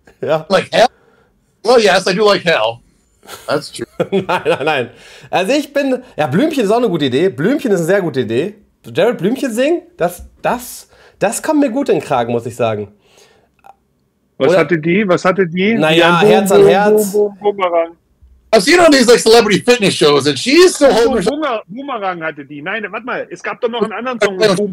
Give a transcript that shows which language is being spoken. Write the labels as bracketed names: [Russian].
[English] Ja. Like hell? Well, yes, I do like hell. That's true. [German] nein. Also ich bin, ja, Blümchen ist auch eine gute Idee. Blümchen ist eine sehr gute Idee. Jared, Blümchen singen, das kommt mir gut in den Kragen, muss ich sagen. Was hatte die? Naja, Herz an Herz. Boomerang. [English] I've seen on these like celebrity fitness shows and she's so [German] Boomerang hatte die. Nein, warte mal, es gab doch noch einen anderen Song.